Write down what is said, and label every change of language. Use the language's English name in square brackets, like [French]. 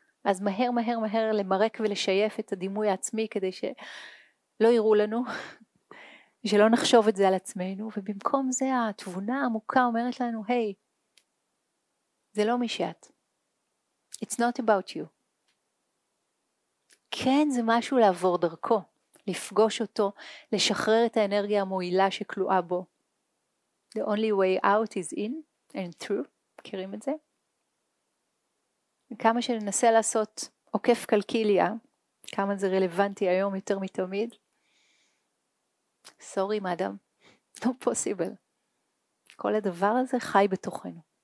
[Hebrew] אז מהר מהר מהר למרק ולשייף את הדימוי העצמי כדי שלא יראו לנו, שלא נחשוב את זה על עצמנו, ובמקום זה התבונה העמוקה אומרת לנו, היי, זה לא מי שאת. [English] It's not about you. [Hebrew] כן, זה משהו לעבור דרכו, לפגוש אותו, לשחרר את האנרגיה המועילה שכלואה בו. [English] The only way out is in and through. [Hebrew] מכירים את זה? כמה שננסה לעשות עוקף קלקיליה, כמה זה רלוונטי היום יותר מתמיד. [English] Sorry, madam. No possible. [Hebrew] כל הדבר הזה חי בתוכנו.